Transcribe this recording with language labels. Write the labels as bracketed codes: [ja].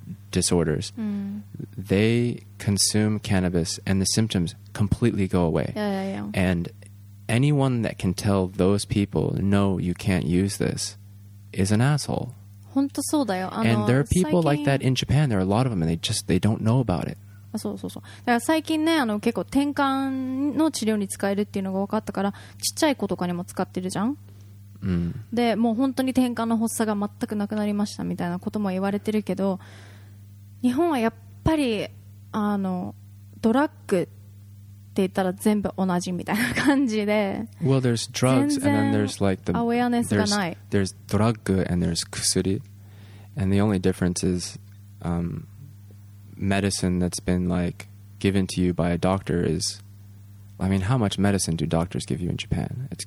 [en] disorders, they consume cannabis and the symptoms completely go away. Yeah, yeah, yeah. And anyone that can tell those people, no, you can't use this, is an asshole. [ja] 本当そうだよ。 [en] And there are people like that in Japan. There are a lot of them and they don't know about it. [ja] あ、そうそうそう。だから最近ね、あの、結構転換の治療に使えるっていうのが分かったから、ちっちゃい子とかにも使ってるじゃん。で、もう本当に転換の発作が全くなくなりましたみたいなことも言われてるけど、日本はやっぱりあのドラッグって言ったら全部同じみたいな感じで、 [en] well, there's drugs, [ja] 全然 [en] and then there's like the, [ja] アウェアネスがない [en] there's ドラッグ and there's 薬 and the only difference is medicine that's been like given to you by a doctor is I mean how much medicine do doctors give you in Japan?